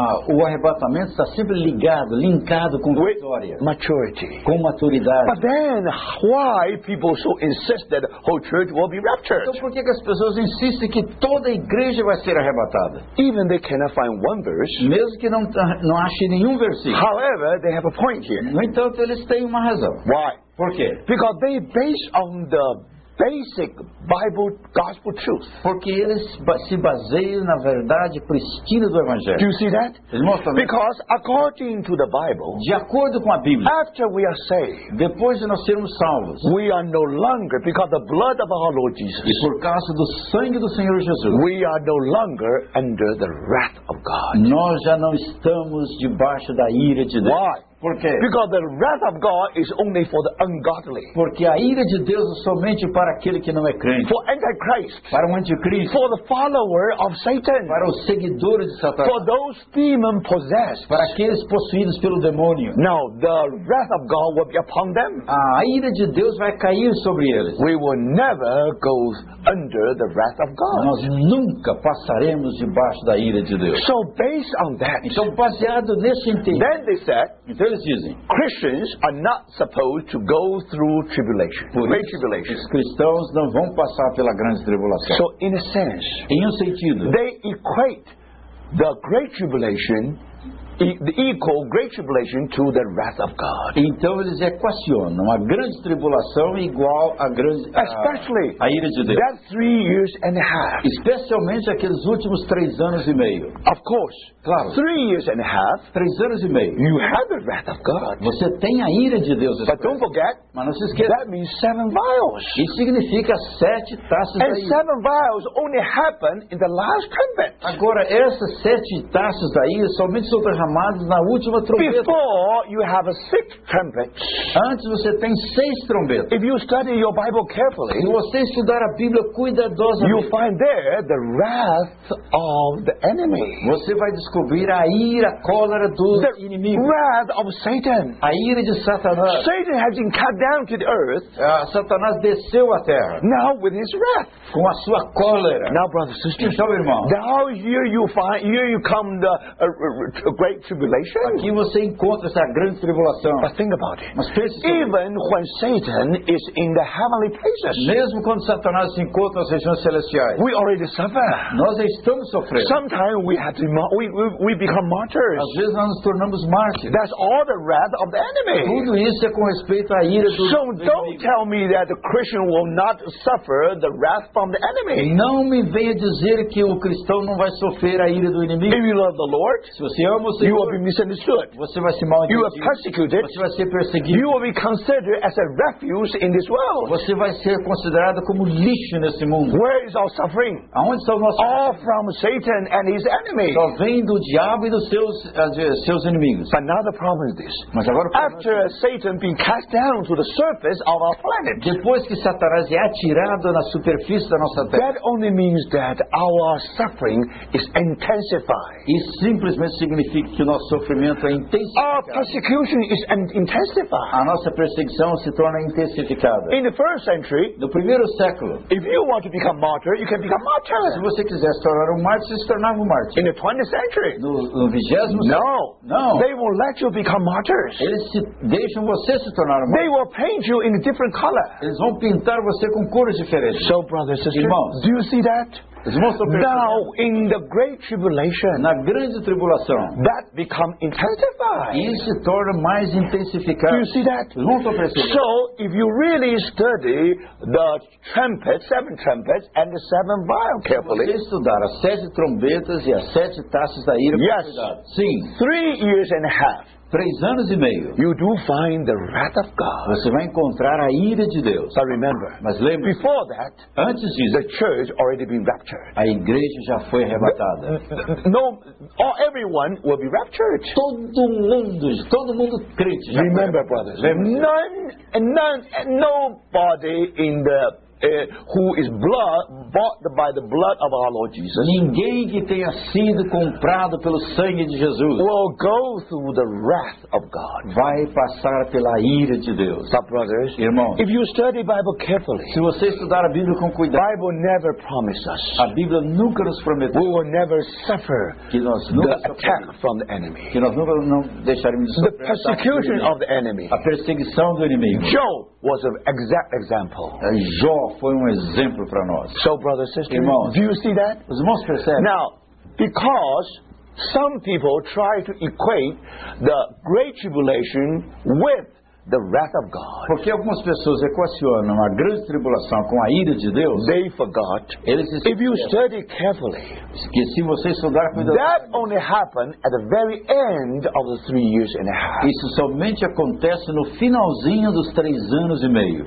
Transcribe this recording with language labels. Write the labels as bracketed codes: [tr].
[pt] O arrebatamento está sempre ligado, linkado com vitória. [en] With maturity. [pt] Com maturidade. [en] But then, why people so insist that whole church will be raptured? [pt] Então, por que as pessoas insistem que toda a igreja vai ser arrebatada? [en] Even they cannot find one verse. [pt] Mesmo que não ache nenhum versículo. [en] However, they have a point here. [pt] No entanto, eles têm uma razão. [en] Why? [pt] Por quê? [en] Because they based on the basic Bible gospel truth. [pt] Porque eles se baseiam na verdade pristina do evangelho. [en] Do you see that? [pt] Mostram. [en] Because according to the Bible, [pt] de acordo com a Bíblia, [en] after we are saved, [pt] depois de nós sermos salvos, [en] we are no longer because the blood of our Lord Jesus. [pt] E por causa do sangue do Senhor Jesus, [en] we are no longer under the wrath of God. [pt] Nós já não estamos debaixo da ira de Deus. [en] Why? Because the wrath of God is only for the ungodly. [pt] Porque a ira de Deus é somente para aquele que não é crente. [en] For antichrist. [pt] Para o anticristo. [en] For the follower of Satan. [pt] Para os seguidores de Satanás. [en] For those demon possessed. [pt] Para aqueles possuídos pelo demônio. [en] Now the wrath of God will be upon them. [pt] A ira de Deus vai cair sobre eles. [en] We will never go under the wrath of God. [pt] Nós nunca passaremos debaixo da ira de Deus. [en] So based on that. [pt] Então baseado nesse entendimento. [en] Then they said. [pt] Eles dizem, [en] Christians are not supposed to go through tribulation. [pt] Por [en] great [pt] isso, [en] tribulation. [pt] Os cristãos não vão passar pela grande tribulação. [en] So in a sense, [pt] em um sentido, [en] they equate the great tribulation, the equal great tribulation to the wrath of God. [pt] Então eles equacionam a grande tribulação igual a grande [en] especially [pt] a ira de Deus. [en] That 3 years and a half. [pt] Especialmente aqueles últimos 3 anos e meio. [en] Of course. [pt] Claro. [en] 3 years and a half. [pt] 3 anos e meio. [en] You have the wrath of God. [pt] Você tem a ira de Deus. [en] But don't forget. [pt] Mas não se esqueça. [en] That means 7 vials. [pt] Isso significa 7 taças. [en] And 7 vials only happen in the last trumpet. [pt] Agora essas 7 taças da ira somente são derramadas chamados na última trombeta. [en] Before you have a sixth trumpet. [pt] Antes você tem seis trombetas. [en] If you study your Bible carefully, [pt] se você estudar a Bíblia cuidadosamente, [en] you find there the wrath of the enemy. [pt] Você vai descobrir a ira, a cólera do [en] the [pt] inimigo. [en] The wrath of Satan. [pt] A ira de Satanás. [en] Satan has been cut down to the earth. [pt] Satanás desceu à terra. [en] Now with his wrath. [pt] Com a sua cólera. [en] Now, brothers and sisters, [pt] então, irmão, [en] now here you find, here you come the great tribulation. [pt] Aqui você encontra essa grande tribulação. [en] But think about it. [pt] Mas pense sobre [en] even [pt] isso. [en] When Satan is in the heavenly places. [pt] Mesmo quando Satanás se encontra nas regiões celestiais. [en] We already suffer. [pt] Nós estamos sofrendo. [en] Sometimes we have to we become martyrs. [pt] Às vezes nós nos tornamos mártires. [en] That's all the wrath of the enemy. [pt] Tudo isso é com respeito à ira do inimigo. [en] So don't tell me that the Christian will not suffer the wrath from the enemy. [pt] Não me venha dizer que o cristão não vai sofrer a ira do inimigo. [en] If you love the Lord, [pt] se você ama o Senhor, [en] you will be misunderstood. [pt] Você vai ser mal entendido. [en] You are persecuted. [pt] Você vai ser perseguido. [en] You will be considered as a refuse in this world. [pt] Você vai ser considerado como lixo nesse mundo. [en] Where is our suffering? [pt] Aonde está o nosso sofrimento? [en] All from Satan and his enemy. [pt] Só vem do diabo e dos seus inimigos. [en] But now the problem is this. [pt] Mas agora, [en] after Satan being cast down to the surface of our planet. [pt] Depois que Satanás é atirado na superfície da nossa terra. [en] That only means that our suffering is intensified. [pt] Isso simplesmente significa que o nosso sofrimento é intensificado. [en] Our persecution is intensified. [pt] A nossa perseguição se torna intensificada. [en] In the first century, [pt] no primeiro século, [en] if you want to become martyr, you can become martyr. [pt] Se você quiser se tornar mártir, se tornar mártir. [en] In the 20th century, [pt] no 20º século, não. [en] They won't let you become martyrs. [pt] Eles deixam você se tornar mártir. [en] They will paint you in a different color. [pt] Eles vão pintar você com cores diferentes. [en] So, brothers and sisters, [pt] irmãos, [en] do you see that? Now in the great tribulation, [pt] na grande tribulação, [en] that become intensified. [pt] Isso se torna mais intensificado. [en] Do you see that? So if you really study the trumpets, seven trumpets and the seven vials carefully. [pt] Se estudar as sete trombetas e as sete taças da ira. [en] Yes. [pt] Sim. [en] 3 years and a half. [pt] 3 anos e meio. [en] You do find the wrath of God. [pt] Você vai encontrar a ira de Deus. [en] But remember, [pt] mas lembre-se, [en] before that, [pt] antes disso, [en] the church already been raptured. [pt] A igreja já foi arrebatada. [en] No, all everyone will be raptured. [pt] Todo mundo crente. [en] Remember, brothers. Nobody in the who is bought by the blood of our Lord Jesus. [pt] Ninguém que tenha sido comprado pelo sangue de Jesus [en] will go through the wrath of God. [pt] Vai passar pela ira de Deus. [en] So, brothers, [pt] irmãos, [en] if you study Bible carefully, [pt] se você estudar a Bíblia com cuidado, [en] Bible never promised us, [pt] a Bíblia nunca nos prometeu, [en] we will never suffer [pt] que nós nunca [en] the attack from the enemy. [pt] Que nós nunca não deixaremos de sofrer [en] the persecution of the enemy. [pt] A perseguição do inimigo. [en] Job was an exact example. [pt] Job foi exemplo para nós. [en] So, brothers and sisters, do you see that? [pt] Os irmãos percebem. [en] Now, because some people try to equate the great tribulation with the wrath of God. [pt] Porque algumas pessoas equacionam a grande tribulação com a ira de Deus. [en] They forgot. [pt] Eles esquecem. [en] If you study carefully, [pt] que se você estudar cuidadosamente, [en] that only happened at the very end of the 3 years and a half. [pt] Isso somente acontece no finalzinho dos 3 anos e meio.